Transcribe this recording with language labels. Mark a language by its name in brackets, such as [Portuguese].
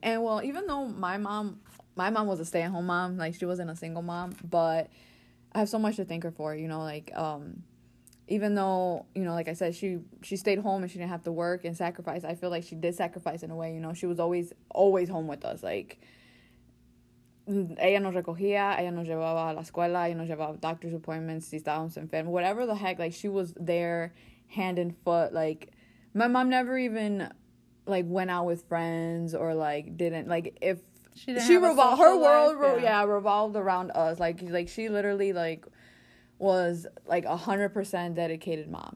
[English] And, well, even though my mom was a stay-at-home mom, like, she wasn't a single mom, but I have so much to thank her for, you know, like, even though, you know, like I said, she stayed home and she didn't have to work and sacrifice. I feel like she did sacrifice in a way, you know. She was always, always home with us. [Spanish] Like, ella nos recogía, ella nos llevaba a la escuela, ella nos llevaba [English] doctor's appointments, [Spanish] si estábamos enfermos, [English] whatever the heck. Like, she was there, hand and foot. Like, my mom never even, like, went out with friends or, like, didn't. Like, if she revolved, her life, world, revolved around us. Like, she literally, like, was like 100% dedicated mom.